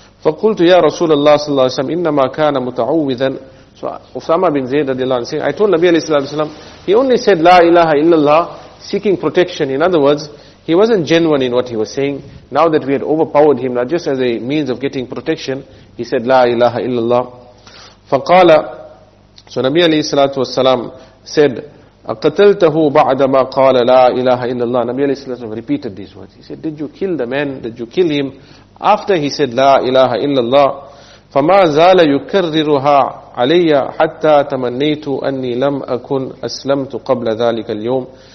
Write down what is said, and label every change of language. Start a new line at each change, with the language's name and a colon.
Arabic: فَقُلْتُ يَا رَسُولَ اللَّهِ صَلَّى اللَّهِ وَسَلَّمَ إِنَّمَا كَانَ مُتَعُوِّذًا.
English: So Usama bin Zayd radiallahu anhu saying, I told Nabi alayhi wasallam, he only said La ilaha illallah seeking protection. In other words, he wasn't genuine in what he was saying. Now that we had overpowered him, not just as a means of getting protection, he said La ilaha illallah.
Arabic: فَقَالَ.
English: So Nabi alayhi wasallam said,
Arabic: أَقَتَلْتَهُ بَعْدَ مَا قَالَ لَا إِلَهَ إِلَّا اللَّهِ.
English: Nabi alayhi wasallam repeated these words. He said, did you kill the man? Did you kill him? After he said,
Arabic: لا إله إلا الله, فما زال يكررها علي حتى تمنيت أني لم أكن أسلمت قبل ذلك اليوم.